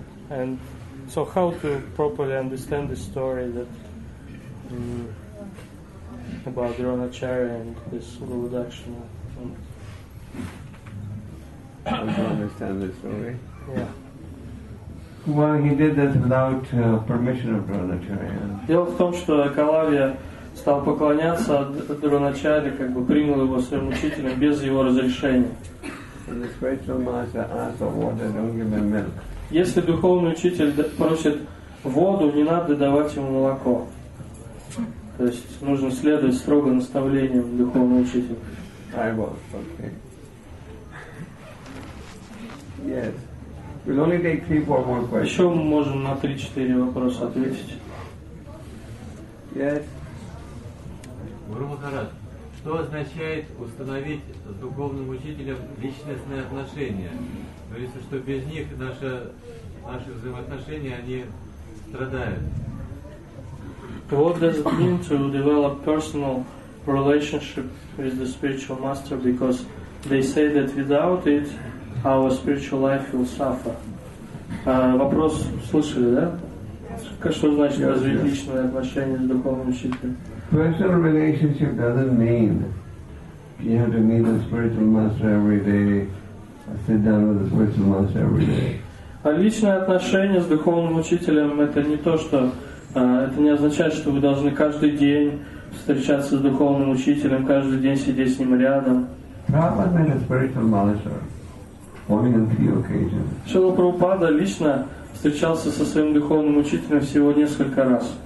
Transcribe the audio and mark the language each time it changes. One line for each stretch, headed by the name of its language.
English: And so how to properly understand the story that about Dronacharya and this Guru Dakshina? How to understand the story? Yeah. Well, he did this without permission of Dronacharya.
Russian: Дело в том, что Ekalavya стал поклоняться Дроначарье, как бы принял его своим учителем без его разрешения.
English: And the spiritual master asked for water, don't give him milk.
Russian: Если духовный учитель просит воду, не надо давать ему молоко. То есть нужно следовать строго наставлениям духовного учителя.
English: I was, okay. Yes. We'll only take 3-4 more questions.
Russian: Еще мы можем на 3-4 вопроса ответить.
English: Yes.
Russian: Гуру Махарадж, что означает установить с духовным учителем личностные отношения? То есть, что без них наши взаимоотношения, они страдают.
English: What does it mean to develop personal relationship with the spiritual master? Because they say that without it, our spiritual life will suffer.
Russian: Вопрос слышали, да? Что значит развить личные отношения с духовным учителем?
English: Personal relationship doesn't mean you have to meet the spiritual master every day. Sit down with the spiritual master every day.
Russian: А личные отношения с духовным учителем это не то, что это не означает, что вы должны каждый день встречаться с духовным учителем, каждый день сидеть с ним рядом.
English: Prabhupada met a spiritual master only on few occasions.
Russian: Шрила Прабхупада лично встречался со своим духовным учителем всего несколько раз.